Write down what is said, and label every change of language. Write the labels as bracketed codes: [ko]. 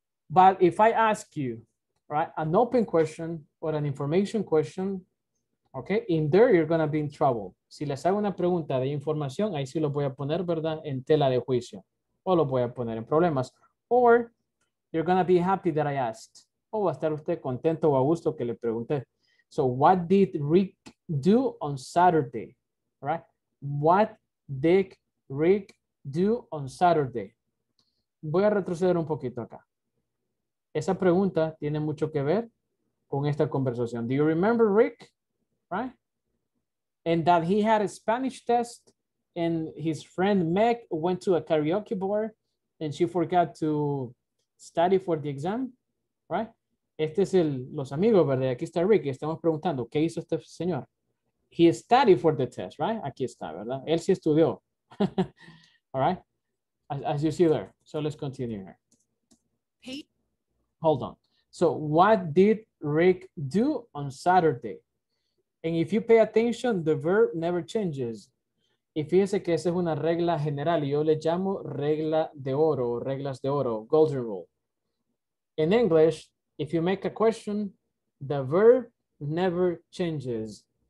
[en] But if I ask you, right, an open question or an information question, okay, in there you're going to be in trouble. [es] Si les hago una pregunta de información, ahí sí lo voy a poner, ¿verdad? En tela de juicio. O lo voy a poner en problemas. [en] Or you're going to be happy that I asked. [es] O va a estar usted contento o a gusto que le pregunté. [en] So what did Rick do on Saturday? Right? What did Rick do on Saturday? [es] Voy a retroceder un poquito acá. Esa pregunta tiene mucho que ver con esta conversación. [en] Do you remember Rick? Right? And that he had a Spanish test and his friend Meg went to a karaoke bar and she forgot to study for the exam, right? [es] Este es el, los amigos, ¿verdad? Aquí está Rick y estamos preguntando, ¿qué hizo este señor? [en] He studied for the test, right? [es] Aquí está, ¿verdad? Él sí estudió. [en] All right? As you see there. So let's continue here. Hey. Hold on. So what did Rick do on Saturday? And if you pay attention, the verb never changes. [es] Y fíjense que esa es una regla general. Yo le llamo regla de oro, reglas de oro, [en] golden rule. In English, if you make a question, the verb never changes.